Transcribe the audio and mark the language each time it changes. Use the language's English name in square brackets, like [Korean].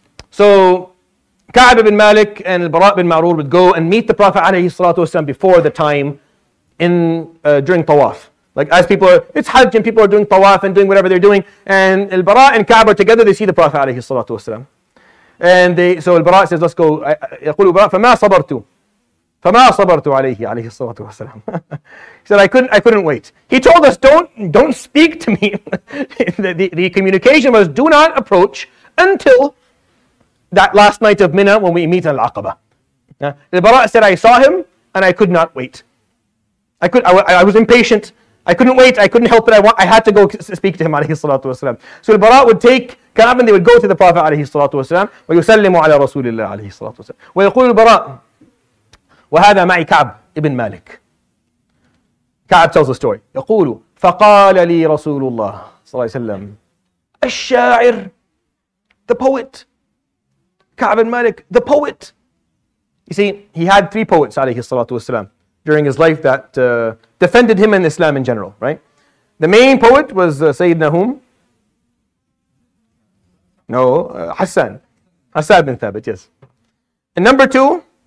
[English] So Ka'b ibn Malik and al-Bara ibn Ma'rur would go and meet the Prophet alayhi salatu wasalam before the time during tawaf. Like as people are, it's Hajj and people are doing tawaf and doing whatever they're doing. And al-Bara and Ka'b are together, they see the Prophet alayhi salatu wasalam. And so al-Bara says, let's go. [Arabic] يَقُولُ بَرَاءَ فَمَا صَبَرْتُ عَلَيْهِ عَلَيْهِ الصَّلَاةُ وَالسَّلَامُ [English] He said, I couldn't wait. He told us, don't speak to me. the communication was, do not approach until that last night of Mina when we meet al-Aqaba. Al-Bara said, I saw him and I could not wait. I was impatient. I couldn't wait. I couldn't help it. I had to go speak to him alayhi salatu wasalam. So al-Bara would take Ka'b and they would go to the Prophet alayhi salatu wasalam. [Arabic] وَيُسَلِّمُ عَلَى رَسُولِ اللَّهِ عَلَيْهِ الصَّلَاةُ وَالسَّلَامُ وَيَقُولُ الْبَرَاء وَهَذَا مَعِي كَعْبْ ابْنُ مَالِكٍ. [English] Ka'b tells the story. [Arabic] يَقُولُ فَقَالَ لِي رَسُولُ اللَّهِ صلى الله عليه وسلم الشاعر, [English] the poet, Ka'b ibn Malik, the poet. You see, he had three poets alayhi salatu wasalam during his life that defended him and Islam in general, right? The main poet was Sayyidina whom? No, Hassan. Hassan bin Thabit, yes. And number two